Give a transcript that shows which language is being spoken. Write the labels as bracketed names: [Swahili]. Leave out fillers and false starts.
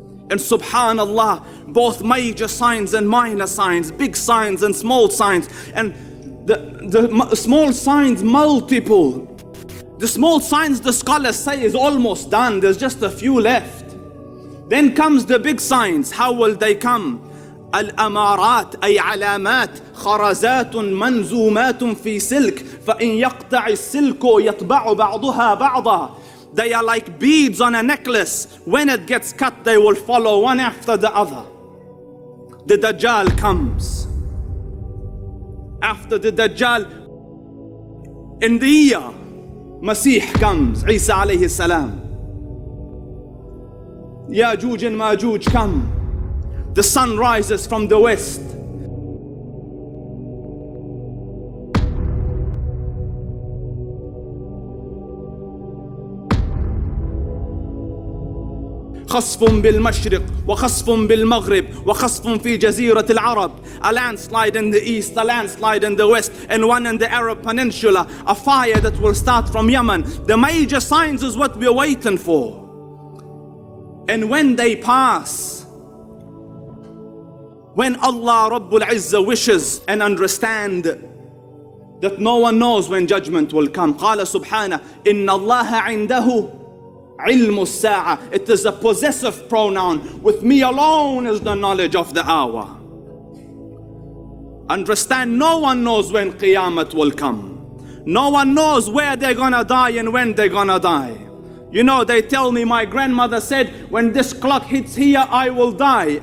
[English] And subhanallah, both major signs and minor signs, big signs and small signs, and the small signs multiple. The small signs, the scholars say, is almost done. There's just a few left. Then comes the big signs. How will they come? [Arabic] الأمارات أي علامات خرزات منزومات في سلك فإن يقطع السلك يتبع بعضها بعضا. [English] They are like beads on a necklace. When it gets cut, they will follow one after the other. The Dajjal comes. After the Dajjal, in the year, Masih comes, Isa alayhi salam. Ya'juj and Ma'juj come. The sun rises from the west. [Arabic] خصف بالمشرق وخصف بالمغرب وخصف في جزيرة العرب. [English] A landslide in the east, a landslide in the west, and one in the Arab Peninsula. A fire that will start from Yemen. The major signs is what we're waiting for. And when they pass, when Allah Rabbul Izzah wishes and understand that no one knows when judgment will come. [Arabic] قال سبحانه إن الله عنده علم الساعة. [English] It is a possessive pronoun. With me alone is the knowledge of the hour. Understand, no one knows when Qiyamah will come. No one knows where they're gonna die and when they're gonna die. You know, they tell me, my grandmother said, when this clock hits here, I will die.